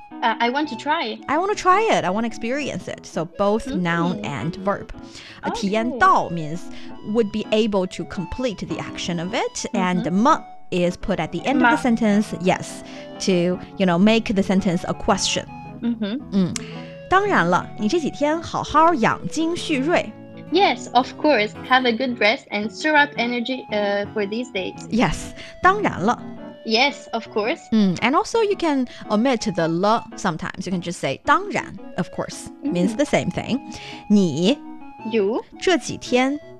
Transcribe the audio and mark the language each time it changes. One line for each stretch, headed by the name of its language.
English: I want to try. I want to try it. I want to experience it. So both、mm-hmm. noun and verb.、 Okay.
Chinese: 体验到
English: means would be able to complete the action of it. And 吗、mm-hmm. is put at the end of the sentence, yes, to, you know, make the sentence a question. Mm-hmm.
Chinese: 嗯，当然了，你这几天好好养精蓄锐。
English: Yes, of course. Have a good rest and stir up energy, for these days. Yes,
Chinese: 当然了。
English: Yes, of course. Mm, and also you can omit the 了 sometimes. You can just say
Chinese: 当然
English: of course,、mm-hmm. means the same thing. 你 You
Chinese: 这几天